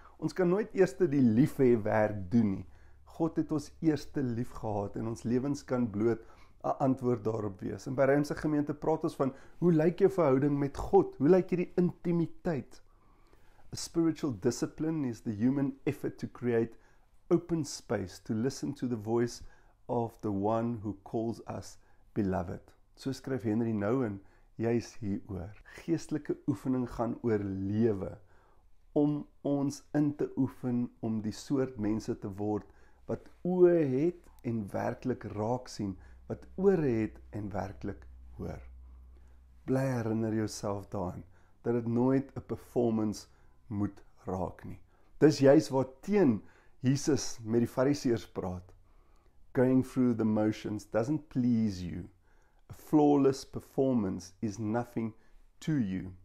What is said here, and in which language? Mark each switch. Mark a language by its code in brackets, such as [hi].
[af] Ons kan nooit eerste die liefhê werk doen nie. God het ons eerste lief gehad en ons lewens kan bloot 'n antwoord daarop wees. En by Rymse gemeente praat ons van hoe lyk jou verhouding met God? Hoe lyk hierdie intimiteit? [en] A spiritual discipline is the human effort to create open space to listen to the voice of the one who calls us beloved. [af] So skryf Henry Nouwen juist hieroor. Geestelike oefening gaan oor lewe, om ons in te oefen om die soort mense te word wat oë het en werklik raak sien wat ore het en werklik hoor. Bly herinner jouself daaraan dat dit nooit 'n performance moet raak nie. Dis juist wat teen Jesus met die fariseers praat. [en] Going through the motions doesn't please you. A flawless performance is nothing to you.